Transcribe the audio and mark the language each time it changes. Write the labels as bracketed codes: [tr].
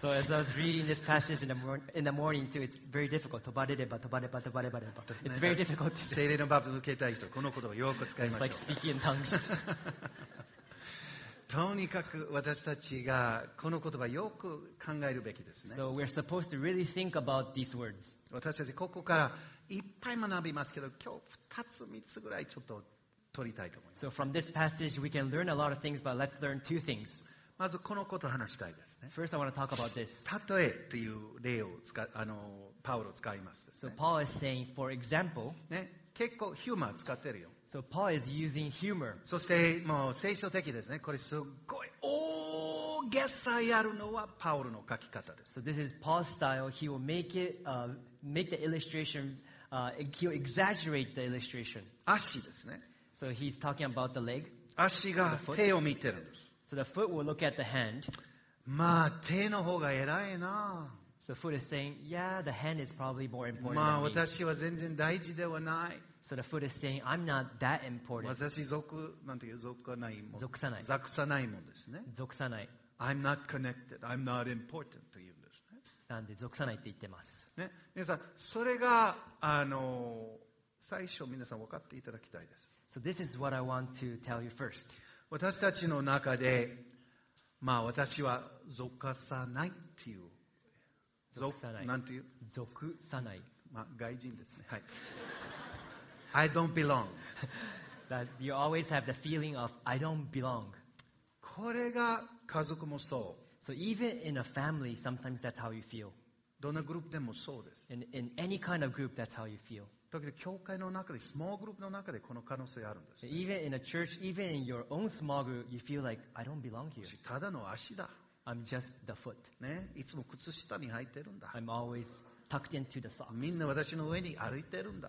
[en] So as I was reading this passage in the morning too, it's very difficult. [ja] 飛ばれれば、飛ばれば、飛ばれば、飛ばれば。 [en] It's very difficult. [ja] 聖霊のバプテスマを受けたい人、この言葉よく使いましょう。 [en] Like speaking in tongues. [ja] とにかく私たちがこの言葉よく考えるべきですね。 [en] So we're supposed to really think about these words. [ja] 私たちここからいっぱい学びますけど、今日2つ3つぐらいちょっと取りたいと思います。 [en] So from this passage we can learn a lot of things, but let's learn two things. [ja] まずこのことを話したいですね。 [en] First I want to talk about this. [ja] 例えという例を使あのパウロ使いますですね。 [en] So Paul is saying, for example. [ja] ね、結構ヒューマー使ってるよ。 [en] So Paul is using humor. [ja] そしてもう聖書的ですね。これすごい大げさやるのはパウロの書き方です。 [en] So this is Paul's style. He will make it, make the illustration, he'll exaggerate the illustration. [ja] 足ですね。 [en] So he's talking about the leg. [ja] 足が手を見てるんです。 [en] So the foot will look at the hand. [ja] まあ手の方が偉いな。 [en] So foot is saying, yeah, the hand is probably more important than me. [ja] まあ私は全然大事ではない。 [en] So the foot is saying, I'm not that important. [ja] 私属なんていう属さないもん。属さない。属さないもんですね。属さない。 [en] I'm not connected. I'm not important. [ja] というんですね。なんで属さないって言ってます。ね、皆さんそれが最初皆さん分かっていただきたいです。 [en] So this is what I want to tell you first. [ja] 私たちの中でまあ私は属さないっていう。属さない。なんていう。属さない。まあ外人ですね。はい。 [en] I don't belong. That you always have the feeling of I don't belong. [ja] これが家族もそう。 [en] So even in a family, sometimes that's how you feel. [ja] どんなグループでもそうです。 [en] In any kind of group, that's how you feel. [ja] だけど教会の中で、small group の中でこの可能性あるんです。 [en] Even in a church, even in your own small group, you feel like I don't belong here. [ja] ただの足だ。 [en] I'm just the foot. [ja] ね、いつも靴下に履いてるんだ。 [en] I'm always tucked into the socks. [ja] みんな私の上に歩いてるんだ。